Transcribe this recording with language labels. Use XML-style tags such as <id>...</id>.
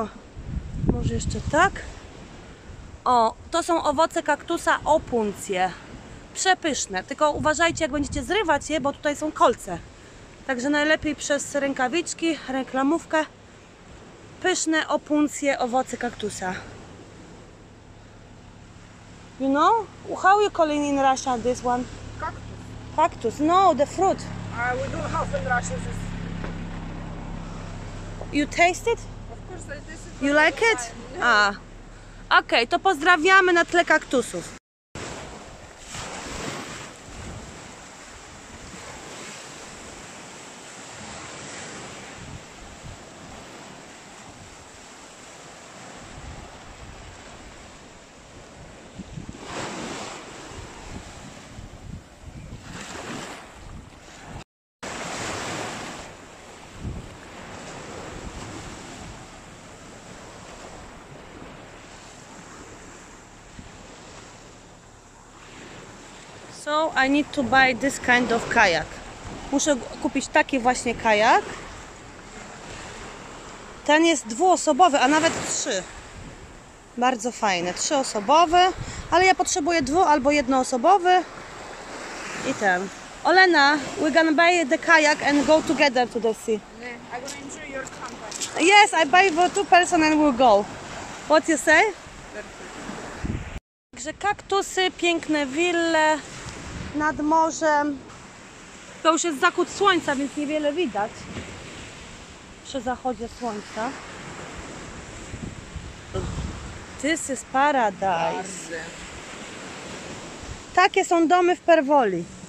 <pl>O, może jeszcze tak. O, to są owoce kaktusa opuncje. Przepyszne. Tylko uważajcie, jak będziecie zrywać je, bo tutaj są kolce. Także najlepiej przez rękawiczki, reklamówkę. Pyszne opuncje, owoce kaktusa.</pl> <en>You know? How you call in Russia this one? Cactus. Cactus. No, the fruit. We don't have in Russia this. You taste it? Of course, I taste it. You like it? Ah. Okay,</en> <pl>to pozdrawiamy na tle kaktusów.</pl> <en>So I need to buy this kind of kayak.</en> <pl>Muszę kupić taki właśnie kajak. Ten jest dwuosobowy, a nawet trzy. Bardzo fajne, trzyosobowy. Ale ja potrzebuję dwu albo jednoosobowy. I ten.</pl> <en>Olena, we're gonna buy the kayak and go together to the sea. Yeah, I'm gonna enjoy your company. Yes, I buy for two person and we'll go. What you say?</en> <pl>Także kaktusy, piękne wille nad morzem. To już jest zachód słońca, więc niewiele widać przy zachodzie słońca.</pl> <en>This is paradise.</en> <pl>Takie są domy w Perwoli.</pl>